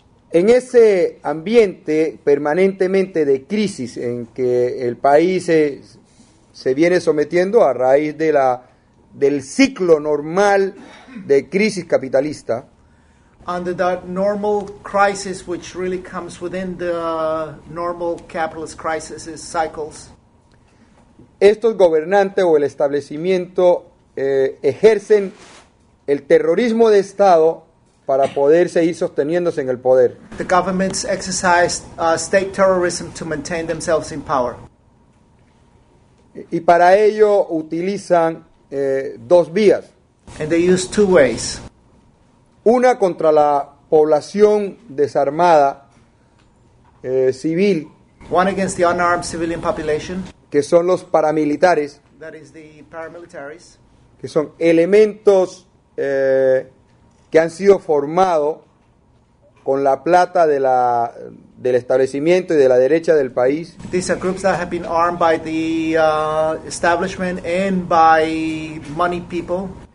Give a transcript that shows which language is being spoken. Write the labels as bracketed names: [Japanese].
[Spanish] En ese ambiente permanentemente de crisis en que el país se viene sometiendo a raíz de del ciclo normal de crisis capitalista. [English] Under that normal crisis, which really comes within the normal capitalist crisis cycles. [Spanish] Estos gobernantes o el establecimiento ejercen el terrorismo de Estado para poder seguir sosteniéndose en el poder. [English] The governments exercise state terrorism to maintain themselves in power. [Spanish] Y para ello utilizan dos vías. [English] And they use two ways. [Spanish] Una contra la población desarmada civil. [English] One against the unarmed civilian population. [Spanish] Que son los paramilitares. [English] That is the paramilitaries. [Spanish] Que son elementos que han sido formados con la plata de del establecimiento y de la derecha del país. [English] These are groups that have been armed by the establishment and by money people.